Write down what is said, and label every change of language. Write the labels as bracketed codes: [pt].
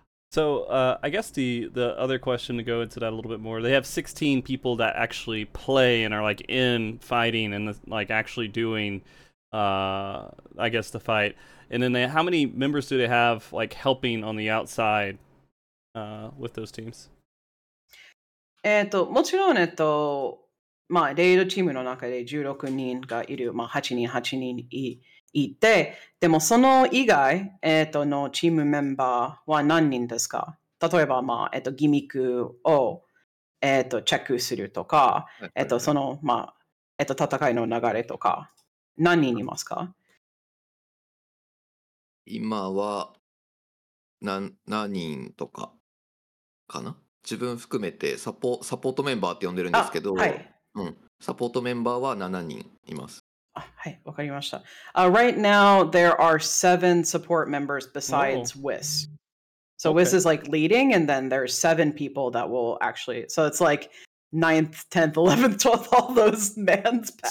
[en] So I guess the other question to go into that a little bit more, they have 16 people that actually play and are like in fighting and like actually doing, I guess, the fight. And then how many members do they have like helping on the outside with those teams? [ja] もちろん、まあ、レイドチームの中で16人がいる、まあ、8人、8人いる。いて、でもその以外、のチームメンバーは何人ですか？例えば、まあ、ギミックを、チェックするとか、その、まあ、戦いの流れとか、何人いますか？今は何人とかかな？自分含めてサポートメンバーって呼んでるんですけど、はい、うん、サポートメンバーは7人います。はい、わかりました。 [en] Right now, there are 7 support members besides Wiz. So Wiz is like leading, and then there's 7 people that will actually... So it's like 9th, 10th, 11th, 12th, all those mans pass.